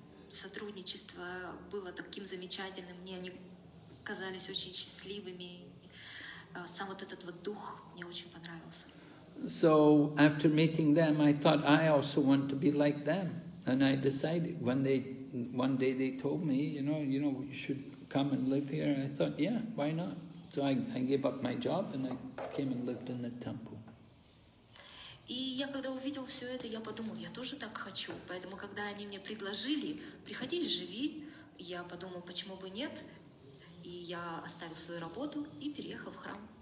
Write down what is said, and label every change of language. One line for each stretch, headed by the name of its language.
Russian: сотрудничество было таким замечательным, мне они казались очень счастливыми. Сам вот этот вот дух мне очень понравился.
English: So after meeting them, I thought I also want to be like them, and I decided one day they told me, you know, you should come and live here. I thought, yeah, why not? So I gave up my job and I came and lived in the temple.
Russian: И я когда увидел все это, я подумал, я тоже так хочу. Поэтому когда они мне предложили, приходи, живи, я подумал, почему бы нет, и я оставил свою работу и переехал в храм.